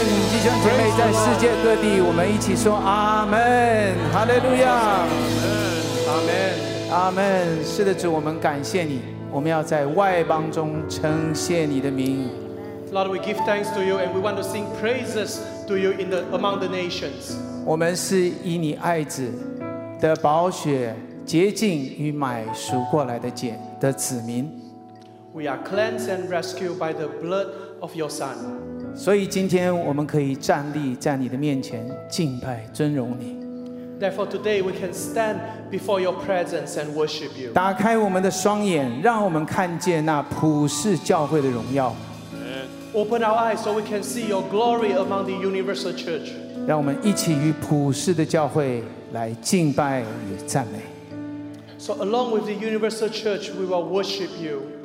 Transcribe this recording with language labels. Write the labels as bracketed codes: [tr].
[zh] 弟兄姐妹在世界各地，我们一起说阿们，哈利路亚，阿们，阿们。是的，主，我们感谢你，我们要在外邦中称谢你的名。 [en] Lord, we give thanks to you, and we want to sing praises to you in the among the nations. [zh] 我们是以你爱子的宝血洁净与买赎过来的拣的子民。 [en] We are cleansed and rescued by the blood of your Son. [zh] 所以今天我们可以站立在你的面前敬拜尊荣你。 [en] Therefore, today we can stand before your presence and worship you. [zh] 打开我们的双眼，让我们看见那普世教会的荣耀。 [en] Open our eyes so we can see your glory among the universal church. [zh] 让我们一起与普世的教会来敬拜与赞美。 [en] So along with the universal church, we will worship you.